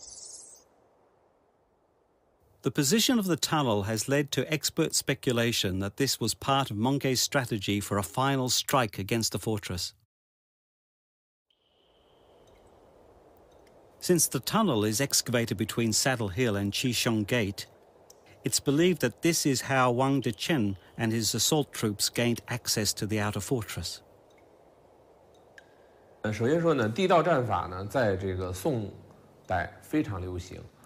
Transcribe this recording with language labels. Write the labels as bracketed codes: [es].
[zh] 它是从外往里打的，就像我现在这样坐到这旁边，中间还可以过人呢、啊。由于那个后方啊，它已经塌方了，它正巧在这个公路下面，所以现在它的入口在什么地方还不知道。里面还有蝙蝠了。 [en] The position of the tunnel has led to expert speculation that this was part of Mongke's strategy for a final strike against the fortress. Since the tunnel is excavated between Saddle Hill and Qishong Gate, it's believed that this is how Wang Dechen and his assault troops gained access to the outer fortress. [zh] 首先说呢，地道战法呢，在这个宋代非常流行。